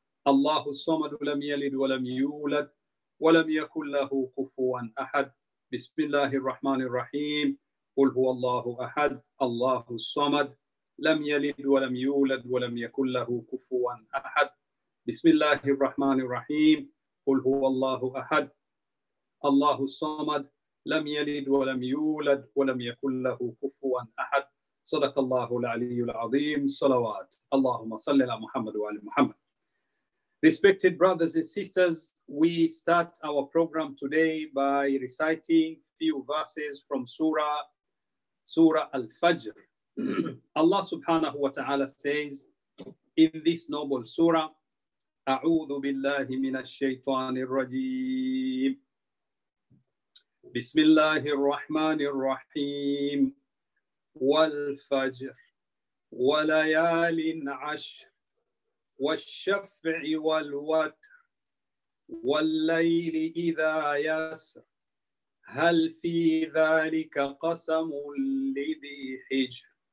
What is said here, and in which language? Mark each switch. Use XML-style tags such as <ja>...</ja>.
<ar>الله الصمد لم يلد ولم يولد ولم يكن له كفوا أحد بسم الله الرحمن الرحيم قل هو الله أحد الله الصمد لم يلد ولم يولد ولم يكن له كفوا أحد بسم الله الرحمن الرحيم قل هو الله أحد الله الصمد لم يلد ولم يولد ولم يكن له كفوا أحد صدق الله العلي العظيم صلوات اللهم صل على محمد وعلى محمد.</ar> <en>Respected brothers and sisters, we start our program today by reciting few verses from Surah Al-Fajr. Allah subhanahu wa ta'ala says in this noble surah,</en> <ar>أعوذ بالله من الشيطان الرجيم بسم الله الرحمن الرحيم والفجر وليال عشر والشفع والوتر والليل إذا يسر هل في ذلك قسم لذي حجر</ar>